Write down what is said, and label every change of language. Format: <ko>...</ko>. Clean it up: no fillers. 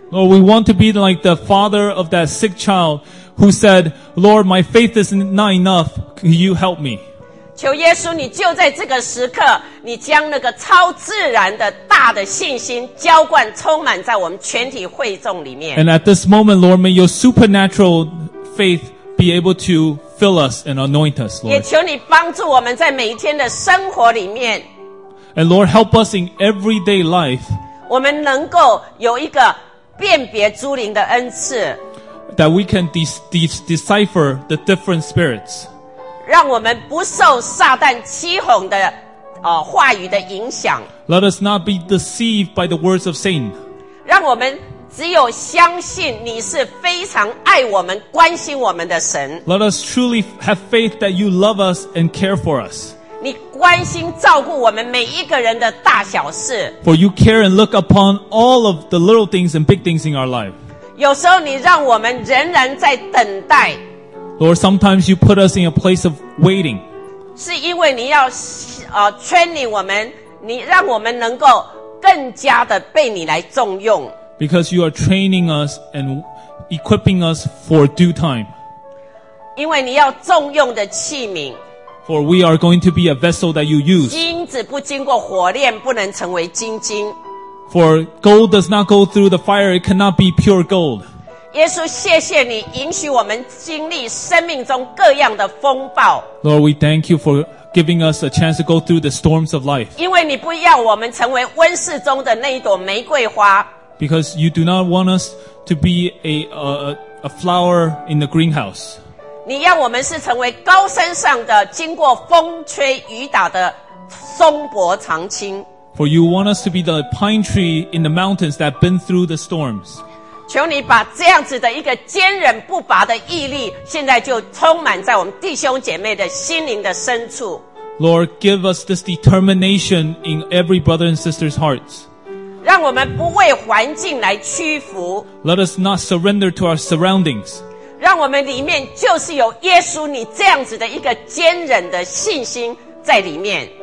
<en>Lord we want to be like the father of that sick child who said Lord my faith is not enough can you help me</en> <zh>求耶稣你就在这个时刻你将那个超自然的大的信心浇灌充满在我们全体会众里面</zh> <en>And at this moment Lord may your supernatural faithBe able to fill us and anoint us, Lord.</en> <zh>也求你帮助我们在每一天的生活里面。</zh> <en>And Lord, help us in everyday life.</en> <zh>我们能够有一个辨别诸灵的恩赐。</zh> <en>That we can decipher the different spirits.</en> <zh>让我们不受撒旦欺哄的话语的影响。</zh> <en>Let us not be deceived by the words of Satan.</en> <zh>让我们只有相信你是非常爱我们关心我们的神</zh> <en>Let us truly have faith that you love us and care for us</en> <zh>你关心照顾我们每一个人的大小事</zh> <en>For you care and look upon all of the little things and big things in our life</en> <zh>有时候你让我们仍然在等待</zh> <en>Lord, sometimes you put us in a place of waiting</en> <zh>是因为你要 training 我们，你让我们能够更加的被你来重用。</zh> <en>Because you are training us and equipping us for due time.</en> <zh>因为你要重用的器皿。</zh> <en>For we are going to be a vessel that you use.</en> <zh>金子不经过火炼，不能成为金金。</zh> <en>For gold does not go through the fire, it cannot be pure gold.</en> <zh>耶稣，谢谢你允许我们经历生命中各样的风暴。</zh> <en>Lord, we thank you for giving us a chance to go through the storms of life.</en> <zh>因为你不要我们成为温室中的那一朵玫瑰花。</zh> <en>Because you do not want us to be a flower in the greenhouse.</en> <zh>你让我们是成为高山上的经过风吹雨打的松柏长青。</zh> <en>For you want us to be the pine tree in the mountains that bend through the storms.</en> <zh>求你把这样子的一个坚韧不拔的毅力现在就充满在我们弟兄姐妹的心灵的深处。</zh> <en>Lord, give us this determination in every brother and sister's hearts.</en> <zh>让我们不为环境来屈服。</zh> <en>Let us not surrender to our surroundings.</en> <zh>让我们里面就是有耶稣你这样子的一个坚忍的信心在里面。</zh>